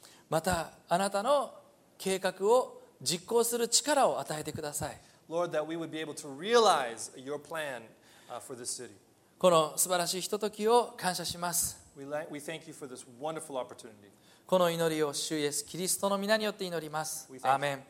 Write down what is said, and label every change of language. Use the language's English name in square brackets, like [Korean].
[Japanese] またあなたの計画を実行する力を与えてください。 [English] Lord, that we would be able to realize your plan for this city. [Japanese] この素晴らしいひとときを感謝します。 [English] We thank you for this wonderful opportunity. [Japanese] この祈りを主イエスキリストの御名によって祈ります。アーメン。